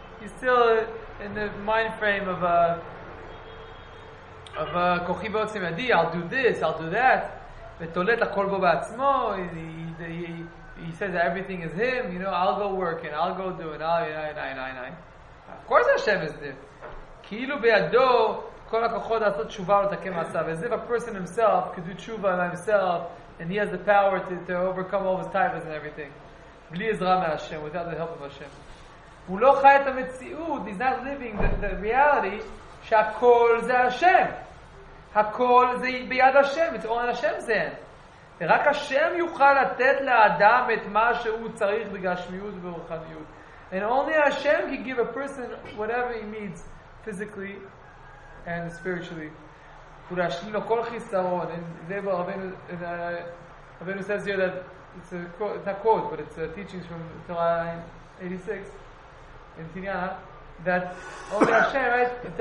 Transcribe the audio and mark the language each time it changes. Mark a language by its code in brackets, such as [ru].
[en] He's still in the mind frame of a [he] kochi ba'otzim yadi. [en] I'll do this. I'll do that. [he] ותולט הכל בו בעצמו, [en] he says that everything is him, you know, I'll go work and I'll go do and I'll, of course Hashem is there. [he] כאילו בידו כל הכוחות לעשות תשובה לתקן מצב. [en] As if a person himself could do תשובה on himself and he has the power to overcome all his tithes and everything. [he] בלי עזרה מהשם, [en] without the help of Hashem. [he] הוא לא חי את המציאות, [en] he's not living the reality [he] שהכל זה השם. הכל זה ביד השם, [en] it's all in Hashem's hand. [he] ורק השם יוכל לתת לאדם את מה שהוא צריך בגשמיות ורוחניות. [en] And only Hashem can give a person whatever he needs physically and spiritually. [he] ולהשלים לו כל חיסרון. [en] And they were, Rabbeinu says here that it's not a quote, but it's a teaching from Torah 86 in Tinyana, that only Hashem, right?